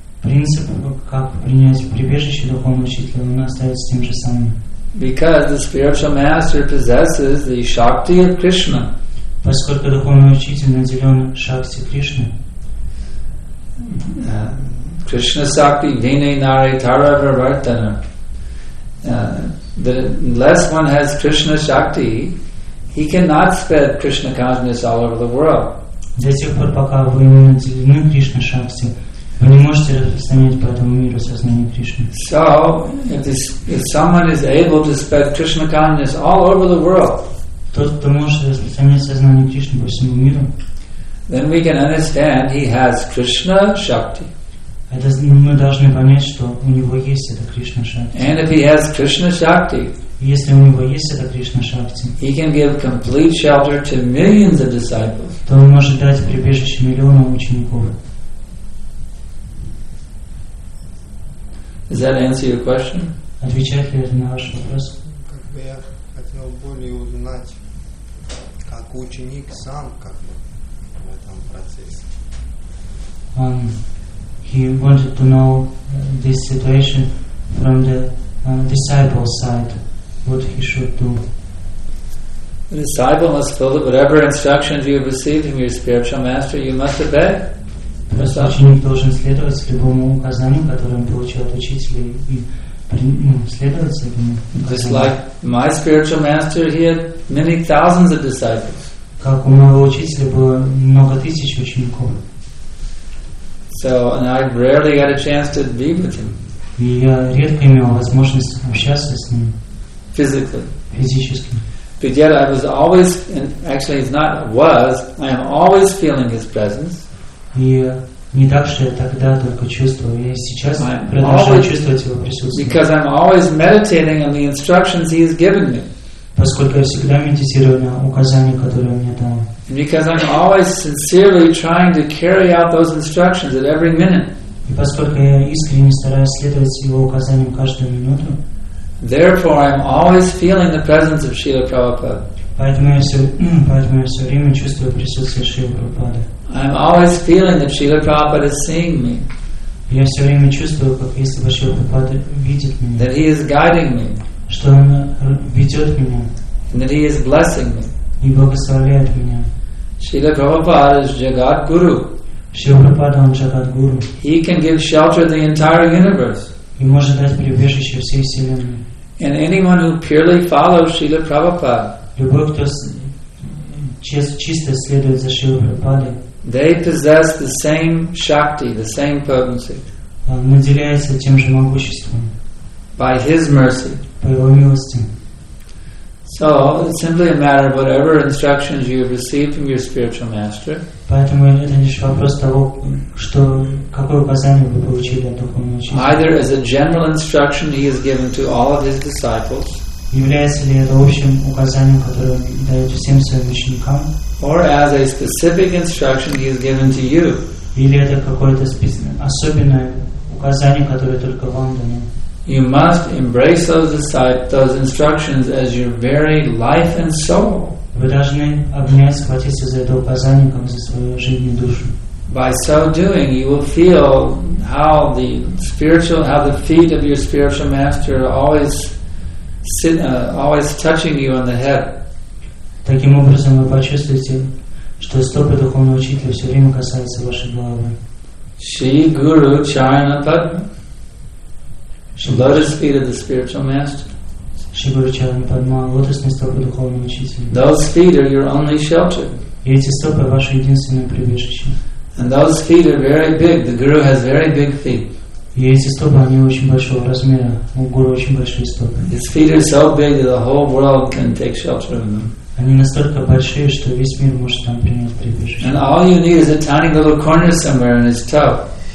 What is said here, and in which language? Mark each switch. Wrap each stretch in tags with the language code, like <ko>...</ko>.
<ru>Принцип, как принять прибежище духовного учителя, он остается тем же самым.</ru> <en>Because the spiritual master possesses the shakti of Krishna.</en> <ru>Поскольку духовный учитель наделен шакти Кришны.</ru> <en>Krishna Sakti Vine Nare Tarava Vartana. Unless one has Krishna Shakti, he cannot spread Krishna consciousness all over the world.</en> <ru>До тех пор, пока вы не наделены Кришна Шакти, вы не можете распространять по этому миру сознание Кришны.</ru> <en>So, if someone is able to spread Krishna consciousness all over the world,</en> <ru>тот, кто может распространять сознание Кришны по всему миру,</ru> <en>then we can understand he has Krishna Shakti.</en> <ru>Это мы должны понять, что у него есть эта Кришна Шакти.</ru> <en>And if he has Krishna Shakti,</en> <ru>если у него есть эта Кришна Шакти,</ru> <en>he can give complete shelter to millions of disciples.</en> <ru>То он может дать прибежище миллионам учеников.</ru> <en>Does that answer your question?</en> <ru>Отвечает ли это на ваш вопрос? Как бы я хотел более узнать, как ученик сам как бы в этом процессе.</ru> <en>He wanted to know this situation from the disciple's side, what he should do. The disciple must follow whatever instructions you have received from your spiritual master, you must obey.</en> <ru>Ученик должен следовать любому указанию, которое он получил от учителя, и следовать этому.</ru> <en>Just like my spiritual master, he had many thousands of disciples.</en> <ru>Как у моего учителя было много тысяч учеников.</ru> <en>So, and I rarely got a chance to be with him.</en> <ru>Я редко имел возможность общаться с ним.</ru> <en>Physically.</en> <ru>Физически.</ru> <en>But yet I was always, and actually it's not was, I am always feeling his presence.</en> <ru>И не так, что я тогда только чувствовал, я сейчас продолжаю чувствовать его присутствие.</ru> <en>Because I'm always meditating on the instructions he has given me.</en> <ru>Поскольку я всегда медитирую на указания, которые он мне дал.</ru> <en>Because I'm always sincerely trying to carry out those instructions at every minute.</en> <ru>И поскольку я искренне стараюсь следовать его указаниям каждую минуту,</ru> <en>therefore I'm always feeling the presence of Srila Prabhupada.</en> <ru>Поэтому я все время чувствую присутствие Шрилы Прабхупады.</ru> <en>I'm always feeling that Srila Prabhupada is seeing me.</en> <ru>Я все время чувствую, как если бы Шрила Прабхупада видит меня.</ru> <en>That he is guiding me.</en> <ru>Что он ведет меня.</ru> <en>And that he is blessing me.</en> <ru>И благословляет меня.</ru> <en>Srila Prabhupada is Jagat Guru.</en> <ru>Srila Prabhupada он Jagat Guru.</ru> <en>He can give shelter to the entire universe.</en> <ru>И может дать прибежище всей вселенной.</ru> <en>And anyone who purely follows Srila Prabhupada.</en> <ru>Любой, кто чисто следует за Шрилой Прабхупадой,</ru> <en>they possess the same shakti, the same potency.</en> <ru>Наделяется тем же могуществом.</ru> <en>By his mercy.</en> <ru>По его милости.</ru> <en>So it's simply a matter of whatever instructions you have received from your spiritual master.</en> <ru>Поэтому это лишь вопрос того, что какое указание вы получили от духовного учителя.</ru> <en>Either as a general instruction he has given to all of his disciples.</en> <ru>Является ли это общим указанием, которое он дает всем своим ученикам?</ru> <en>Or as a specific instruction he has given to you.</en> <ru>Или это какое-то особенное указание, которое только вам дано?</ru> <en>You must embrace those instructions as your very life and soul.</en> <ru>Вы должны обнять, схватиться за это указание, как за свою жизнь и душу.</ru> <en>By so doing, you will feel how the feet of your spiritual master are always touching you on the head.</en> <ru>Таким образом, вы почувствуете, что стопы духовного учителя все время касаются вашей головы.</ru> <en>Shri Guru Charana Padma. Lotus feet of the spiritual master.</en> <ru>Shri Guru Charana Padma, lotusные стопы духовного учителя.</ru> <en>Those feet are your only shelter.</en> <ru>И эти стопы ваше единственное прибежище.</ru> <en>And those feet are very big. The Guru has very big feet.</en> <ru>И эти стопы, они очень большого размера. У Гуру очень большие стопы.</ru> <en>His feet are so big that the whole world can take shelter in them.</en> <ru>Они настолько большие, что весь мир может там принять прибежище.</ru> <en>And all you need is a tiny little corner somewhere in his toe.</en>